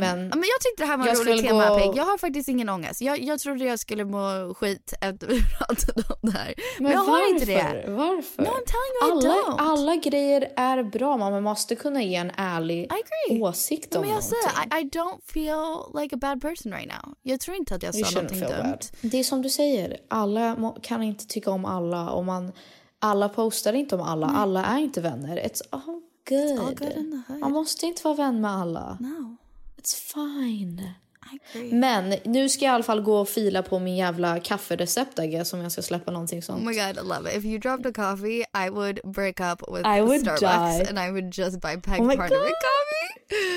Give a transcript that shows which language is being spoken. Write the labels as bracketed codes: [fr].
[sv] Nej, men jag tyckte det här var roligt tema, Peg. Jag har faktiskt ingen ångest. Jag trodde jag skulle må skit efter vi pratade om det här. Men jag har inte det. Varför? [en] No, I'm telling you, I don't. [sv] Alla grejer är bra. Man måste kunna ge en ärlig åsikt om någonting. [en] Men I don't feel like a bad person right now. [sv] Jag tror inte att jag sa någonting dumt. Det är som du säger. Alla kan inte tycka om alla, och alla postar inte om alla. Nej. Alla är inte vänner. [en] It's all good. [sv] Man måste inte vara vän med alla. [en] No. It's fine. I agree. [sv] Men nu ska jag i alla fall gå och fila på min jävla kafferecept, [en] I guess, [sv] om jag ska släppa någonting sånt. [en] Oh my god, I love it. If you dropped a coffee, I would break up with Starbucks. And I would just buy part of the coffee.